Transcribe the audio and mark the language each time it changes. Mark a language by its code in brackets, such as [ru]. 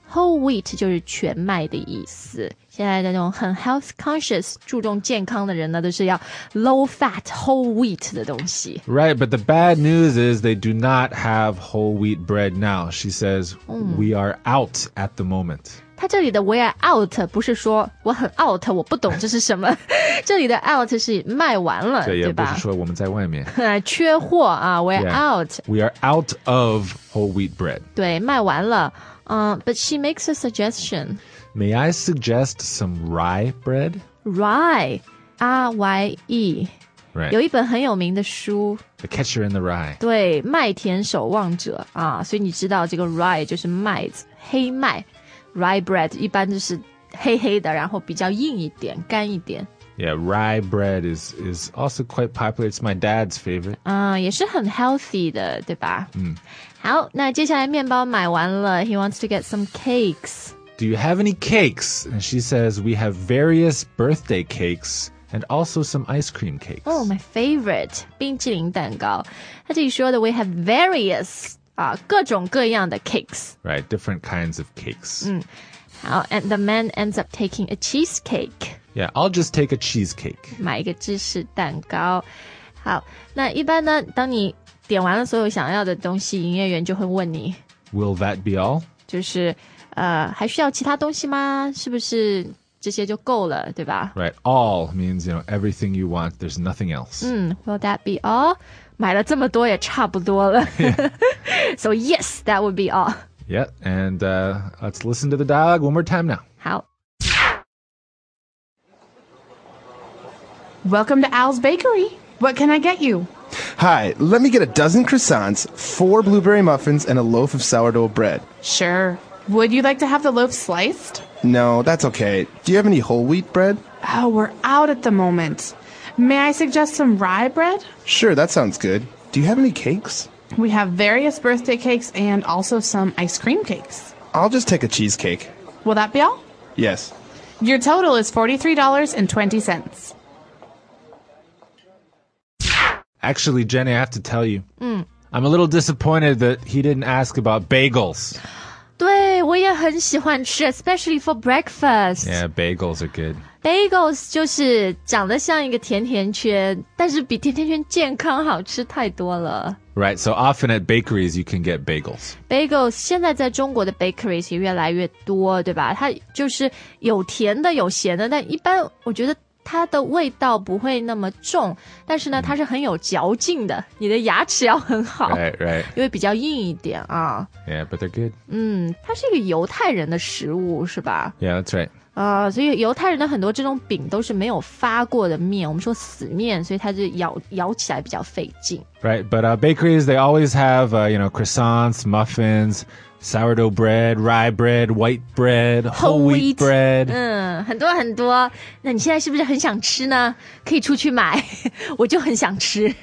[en] Whole wheat [zh] 就是全麦的意思。现在那种很 [en] health conscious, [zh] 注重健康的人呢都是要 [en] low fat, whole wheat [zh] 的东西。 [en] Right, but the bad news is they do not have whole wheat bread now. She says, we are out at the moment. [zh] 他这里的 [en] we are out [zh] 不是说我很 [en] out [zh] 我不懂这是什么这里的 out 是卖完了对吧不是说我们在外面缺货啊 [en] we are out We are out of whole wheat bread [zh] 对卖完了、 [en] But she makes a suggestion May I suggest some rye bread? Rye R-Y-E Right. [zh] 有一本很有名的书 [en] The Catcher in the Rye [zh] 对麦田守望者、啊、所以你知道这个 rye 就是麦子黑麦 [en] Rye bread [zh] 一般就是黑黑的然后比较硬一点干一点 [en] Yeah, rye bread is also quite popular It's my dad's favorite [zh] 也是很 [en] healthy [zh] 的对吧、 mm. 好那接下来面包买完了 [en] He wants to get some cakes Do you have any cakes? And she says we have various birthday cakesAnd also some ice cream cakes Oh, my favorite [zh] 冰淇淋蛋糕他这里说的 [en] We have various、 [zh] 各种各样的 [en] cakes Right, different kinds of cakes、 [zh] 好 [en] And the man ends up taking a cheesecake Yeah, I'll just take a cheesecake [zh] 买一个芝士蛋糕好那一般呢当你点完了所有想要的东西营业员就会问你 [en] Will that be all? [zh] 就是、还需要其他东西吗是不是这些就够了对吧 [en] Right, all means, you know, everything you want, there's nothing else. Will that be all? [zh] 买了这么多也差不多了。 [en] Yeah. So yes, that would be all. Yeah, and let's listen to the dialogue one more time now. [zh] 好。 [en] Welcome to Al's Bakery. What can I get you? Hi, let me get a dozen croissants, 4 blueberry muffins, and a loaf of sourdough bread. Sure. Would you like to have the loaf sliced? No, that's okay. Do you have any whole wheat bread? Oh, we're out at the moment. May I suggest some rye bread? Sure, that sounds good. Do you have any cakes? We have various birthday cakes and also some ice cream cakes. I'll just take a cheesecake. Will that be all? Yes. Your total is $43.20. Actually, Jenny, I have to tell you. I'm a little disappointed that he didn't ask about bagels. [zh] 对我也很喜欢吃 [en] especially for breakfast. Yeah, bagels are good. [zh] Bagels 就是长得像一个甜甜圈但是比甜甜圈健康好吃太多了。 [en] Right, so often at bakeries you can get bagels. [zh] Bagels 现在在中国的 [en] bakeries [zh] 也越来越多对吧它就是有甜的有咸的但一般我觉得它的味道不会那么重但是呢它是很有嚼劲的你的牙齿要很好 [en] right, right. [zh] 因为比较硬一点啊 [en] Yeah, but they're good [zh] 它是一个犹太人的食物是吧 [en] Yeah, that's right、 [zh] 所以犹太人的很多这种饼都是没有发过的面我们说死面所以它就 咬起来比较费劲 [en] Right, but bakeries, they always have you know, croissants, muffins,Sourdough bread, rye bread, white bread, whole wheat bread. [zh] 很多很多。那你现在是不是很想吃呢？可以出去买。我就很想吃。